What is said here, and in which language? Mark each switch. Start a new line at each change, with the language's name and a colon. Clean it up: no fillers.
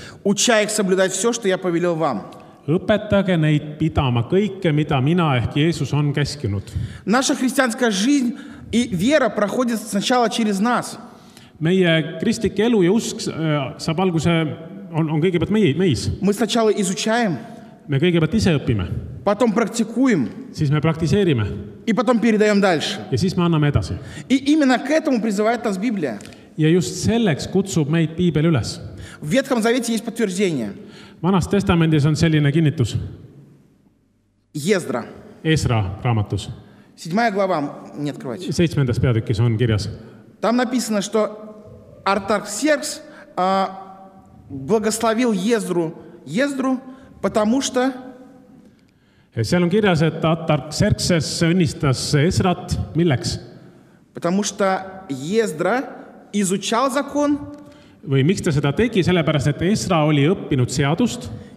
Russian: Учай их соблюдать все, что я повелел вам.
Estonian: Õpetage neid pidama kõike, mida mina ehk Jeesus on keskinud.
Russian: Наша христианская жизнь и вера проходит сначала через нас.
Estonian: Meie kristlik elu ja usk saab alguse on kõigepealt meis.
Russian: Мы сначала изучаем.
Estonian: Me kõigepealt ise õpime.
Russian: Потом практикуем.
Estonian: Siis me praktiseerime.
Russian: И потом передаем дальше.
Estonian: Ja siis me anname edasi.
Russian: И именно к этому призывает нас Библия.
Estonian: Ja just selleks kutsub meid Piibel üles.
Russian: В Ветхом Завете есть подтверждение.
Estonian: Vanas testamendis on selline kinnitus.
Russian: Ездра.
Estonian: Esra raamatus.
Russian: 7. Глава, не открывайте.
Estonian: 7. Peatükis on kirjas.
Russian: Там написано, что Артаксеркс благословил Ездру, потому что...
Estonian: Ja seal on kirjas, et Artaxerxes õnnistas Esrat. Milleks?
Russian: Потому что Ездра изучал закон.
Estonian: Või miks ta seda tegi? Sellepärast, et Esra oli õppinud seadust.